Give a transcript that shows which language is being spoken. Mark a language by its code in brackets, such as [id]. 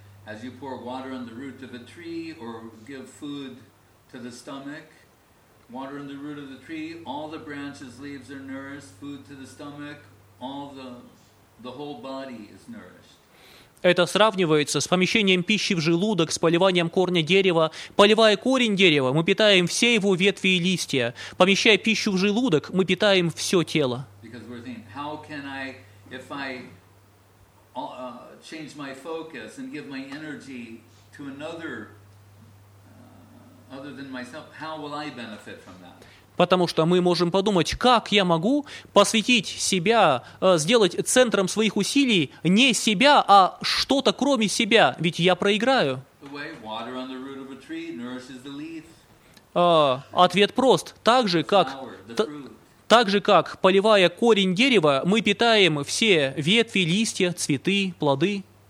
[en] As you pour water on the root of a tree or give food to the stomach, water on the root of the tree, all the branches, leaves are nourished, food to the stomach, all the whole body is nourished. [ru] Это сравнивается с помещением пищи в желудок, с поливанием корня дерева. Поливая корень дерева, мы питаем все его ветви и листья. Помещая пищу в желудок, мы питаем все тело. [en] Because we're thinking, how can I, if I change my focus and give my energy to another other than myself, how will I benefit from that? [ru] Потому что мы можем подумать, как я могу посвятить себя, сделать центром своих усилий не себя, а что-то кроме себя, ведь я проиграю. [en] Water on the root of a tree nourishes the leaf. [ru] Ответ прост. Так же, как поливая корень дерева, мы питаем все ветви, листья, цветы, плоды.